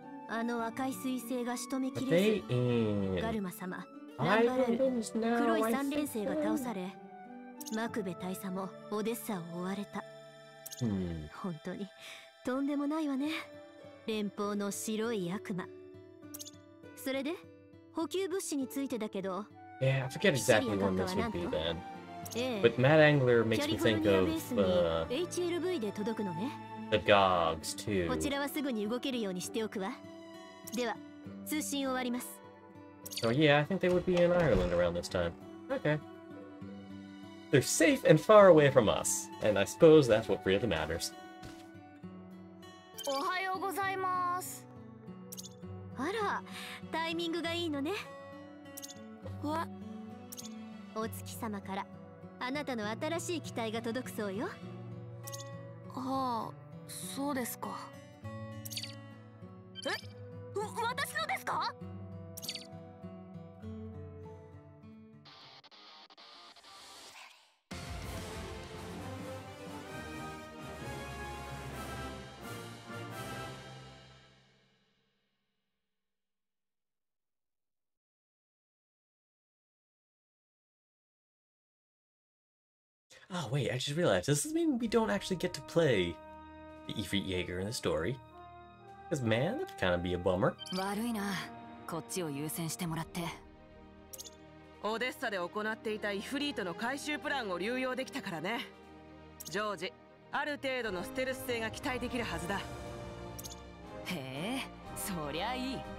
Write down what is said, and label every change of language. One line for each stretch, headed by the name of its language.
English: あの赤い彗星が仕留めきれず、ガルマ様、ランバルール、黒い三連星が倒され、マクベ大佐もオデッサを追われた。本当にとんでもないわね、連邦の白い悪魔。それで補給物資についてだけど。 Yeah, I forget exactly when this would be then. But Matt Angler makes me think of
Japanese: HLV で届くのね。
English: The Gogs too.
Japanese: こちらはすぐに動けるようにしておくわ。では、通信終わります。
English: So yeah, I think they would be in Ireland around this time. Okay. They're safe and far away from us, and I suppose that's what really matters.
Japanese: おはようございます。あら、タイミングがいいのね。わ、お月様からあなたの新しい機体が届くそうよ。ああ、そうですか。え、私のですか。
English: Oh wait, I just realized, does this mean we don't actually get to play the Ifrit Jaeger in the story? Because man, that'd kind of be a bummer.
Japanese: 悪いな、こっちを優先してもらって。オデッサで行っていたイフリートの回収プランを流用できたからね。ジョージ、ある程度のステルス性が期待できるはずだ。へえ、そりゃいい。